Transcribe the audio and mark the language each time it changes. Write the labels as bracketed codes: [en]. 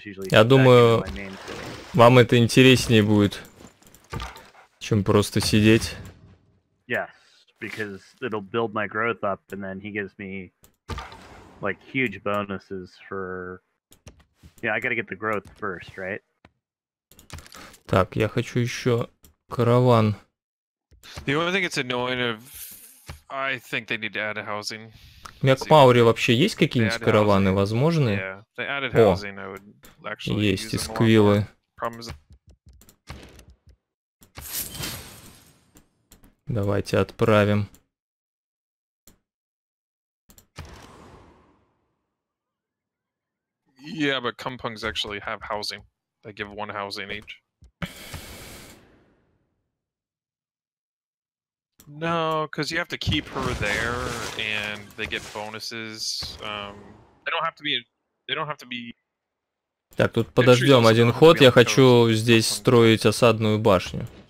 [ru] Я думаю, вам это интереснее будет, чем просто сидеть. [en] Yes, because it'll build my growth up, and then he gives me like huge bonuses for. Yeah, I gotta get the growth first, right? [ru] Так, я хочу еще караван. [en] The only thing it's annoying of, I think they need to add a housing. [ru] В Мекмауре вообще есть какие-нибудь караваны возможные? [en] Yeah, housing, [ru] есть, и сквилы. Давайте отправим. [en] Yeah, but Kumpungs actually have housing. They give one housing each. No, because you have to keep her there, and they get bonuses. They don't have to be. They don't have to be. [ru] Так, тут подождем один ход. Я хочу здесь строить осадную башню.